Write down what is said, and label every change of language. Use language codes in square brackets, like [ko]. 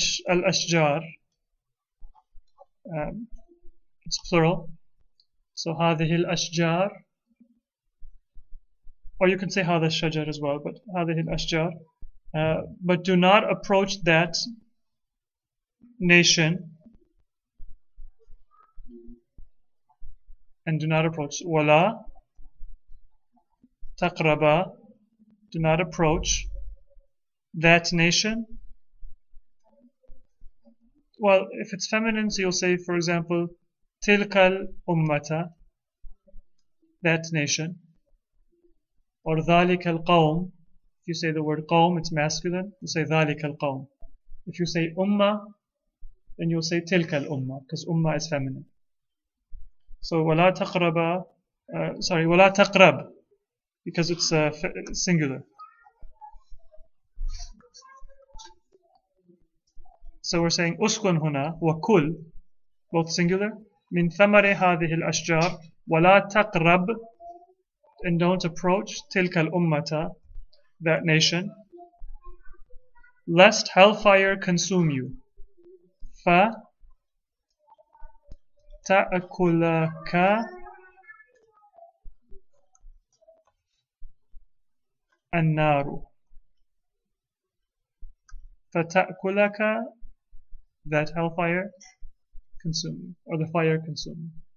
[ar] الْأَشْجَار [en] it's plural so [ar] هَذِهِ الْأَشْجَار [en] Or you can say [ar] هذا الشجر [en] as well, but [ar] هذه الأشجار. [en] But do not approach that nation. And do not approach. [ar] ولا تقرب. [en] Do not approach that nation. Well, if it's feminine, so you'll say, for example, [ar] تلك الأمة. [en] That nation. [ar] Or ذلك القوم. [en] If you say the word قوم, it's masculine. You say [ar] ذلك القوم. [en] If you say أمة, then you'll say [ar] تلك الأمة, [en] because أمة is feminine. [ar] So ولا تقرب. [en] Sorry, [ar] ولا تقرب, [en] because it's singular. So we're saying [ar] أسكن هنا وكل, [en] both singular. [ar] من ثمر هذه الأشجار ولا تقرب. [en] And don't approach [ar] تلك الأمة [en] that nation lest hellfire consume you [ar] فتأكلك النار فتأكلك [en] that hellfire consume you or the fire consume you.